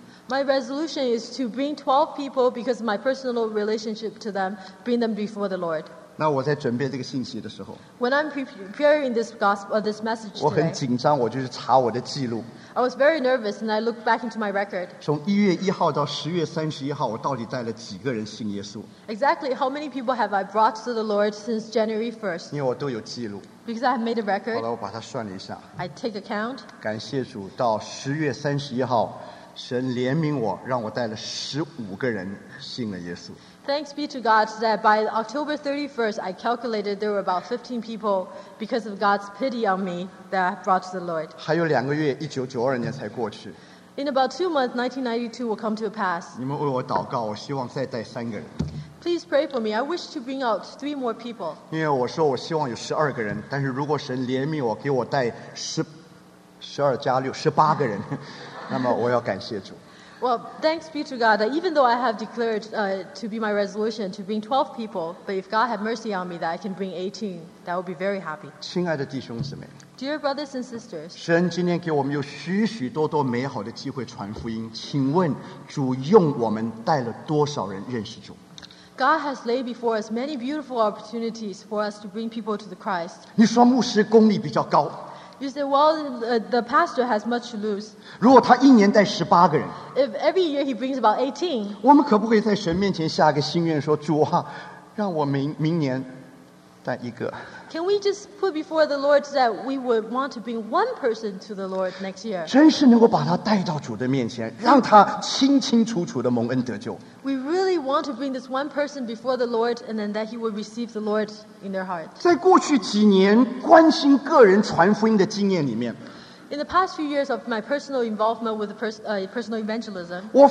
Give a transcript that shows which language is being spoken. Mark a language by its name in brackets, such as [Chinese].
[English] My resolution is to bring 12 people because of my personal relationship to them, bring them before the Lord. When I'm preparing this gospel, this message today, [Chinese] 我很紧张，我就是查我的记录。 [English] I was very nervous and I looked back into my record. [Chinese] 从1月1号到10月31号, 我到底带了几个人信耶稣? [English] Exactly how many people have I brought to the Lord since January 1st? [Chinese] 因为我都有记录。 [English] Because I have made a record. [Chinese] 好了，我把它算了一下。 [English] I take a count. [Chinese] 感谢主, 到10月31号, 神怜悯我, 让我带了15个人信了耶稣。 [English] Thanks be to God that by October 31st, I calculated there were about 15 people because of God's pity on me that I brought to the Lord. [Chinese] 还有两个月, 1992年才过去。 [English] In about 2 months, 1992 will come to a pass. [Chinese] 你们为我祷告, 我希望再带三个人。 [English] Please pray for me. I wish to bring out 3 more people. [Chinese] 因为我说我希望有12个人, 但是如果神怜悯我, 给我带12加6, 18个人, 那么我要感谢主。 [English] Well, thanks be to God that even though I have declared to be my resolution to bring 12 people, but if God had mercy on me that I can bring 18, that would be very happy. [Chinese] 亲爱的弟兄姊妹, [English] dear brothers and sisters, [Chinese] 神今天给我们有许许多多美好的机会传福音, 请问主用我们带了多少人认识主? [English] God has laid before us many beautiful opportunities for us to bring people to the Christ. [Chinese] 你说牧师功力比较高, [English] you say, well, the pastor has much to lose. [Chinese] 如果他一年带18个人, [English] if every year he brings about 18, [Chinese] 我们可不可以在神面前下个心愿说，主啊，让我明年带一个。 [English] Can we just put before the Lord that we would want to bring one person to the Lord next year? [Chinese] 真是能够把他带到主的面前，让他清清楚楚的蒙恩得救。 [English] We really want to bring this one person before the Lord and then that he would receive the Lord in their heart. [Chinese] 在过去几年关心个人传福音的经验里面, [English] in the past few years of my personal involvement with personal evangelism,